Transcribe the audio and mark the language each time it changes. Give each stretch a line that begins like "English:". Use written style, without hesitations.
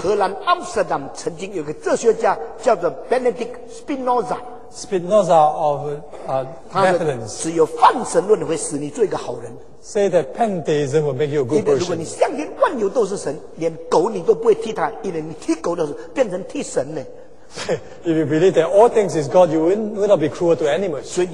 Chinese: 荷兰 Amsterdam 曾经有个哲学家 叫做 Benedict Spinoza.
English: Spinoza of Netherlands.
Chinese: 只有泛神论会使你做一个好人，
English: say that pantheism will make you a good person.
Chinese: 如果你相信万有都是神， 连狗你都不会踢他， 因为你踢狗的时候变成踢神呢。
English: If you believe that all things is God, you will not be cruel to animals.